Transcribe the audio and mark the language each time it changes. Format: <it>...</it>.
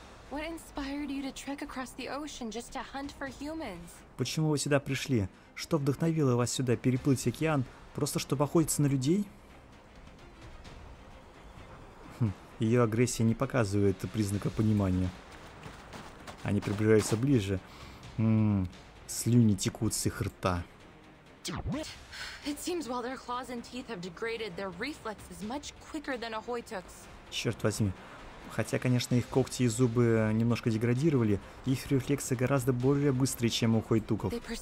<en>What inspired you to trek across the ocean just to hunt for humans?</en> <ru>Почему вы сюда пришли? Что вдохновило вас сюда переплыть океан, просто чтобы охотиться на людей? Ее агрессия не показывает признака понимания. Они приближаются ближе. Слюни текут с их рта.</ru> <en>It seems while their claws and teeth have degraded, their reflexes much quicker than a Hoytuk's.</en> <ru>Черт возьми. Хотя, конечно, их когти и зубы немножко деградировали, их рефлексы гораздо более быстрые, чем у хойтуков.</ru>